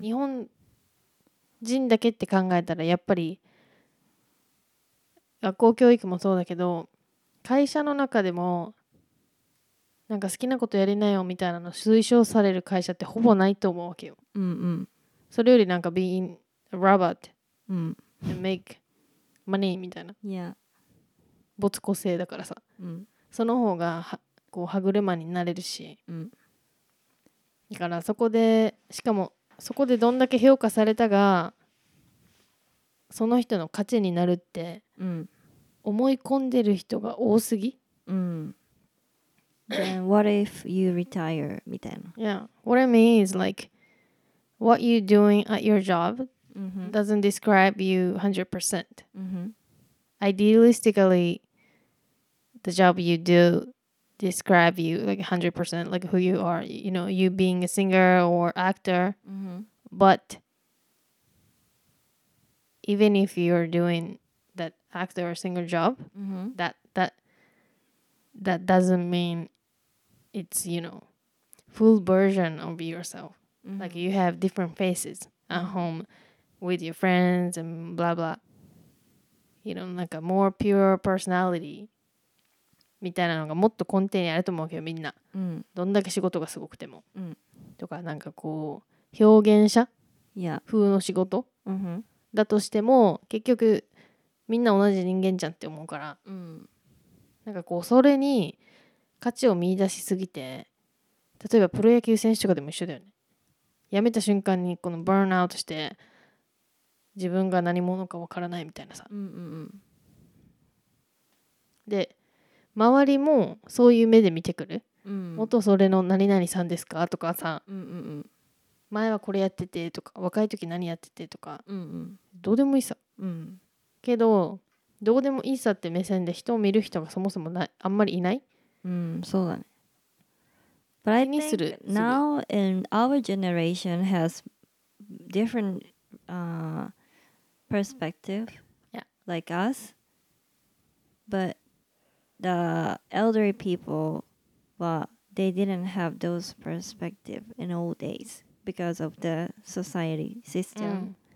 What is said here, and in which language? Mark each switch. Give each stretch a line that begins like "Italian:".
Japanese: 日本人だけって考えたらやっぱり学校教育もそうだけど会社の中でもなんか好きなことやりなよみたいなの推奨される会社ってほぼないと思うわけよ、うんうん、それよりなんか
English: being a robot、うん、 and make money
Japanese: みたいな、 yeah. 没個性だからさ、うん、その方がこう歯車になれるし、うん、だからそこでしかもそこでどんだけ評価されたがその人の価値になるって、うん思い込んでる人が多すぎ。
English: うん。Then what if you retire?
Japanese: みたいな。 Yeah.
English: What I mean is like, what you're doing at your job doesn't describe you 100%. Idealistically, the job you do describe you like 100%, like who you are. You know, you being a singer or actor. But even if you're doing actor or singer job, that doesn't mean it's, you know, full version of yourself. Mm-hmm. Like you have different faces at home with your friends and blah blah. You know, like a more pure personality
Japanese: みたいなのがもっと根底にあると思うけど、みんな。どんだけ仕事がすごくても。とか、なんかこう、表現者風の仕事だとしても、結局、みんな同じ人間じゃんって思うから、うん、なんかこうそれに価値を見出しすぎて例えばプロ野球選手とかでも一緒だよね辞めた瞬間にこのバーンアウトして自分が何者かわからないみたいなさ、うんうんうん、で周りもそういう目で見てくる、うん、元それの何々さんですかとかさ、うんうんうん、前はこれやっててとか若い時何やっててとか、うんうん、どうでもいいさ、うんけどどうでもいいさって目線で人を見る人がそもそもないあんまりいない。うん、そうだね。
English: But I think now in our generation has different perspective, yeah. like us. But the elderly people, well, they didn't have those perspective in old days because of the society system. Mm.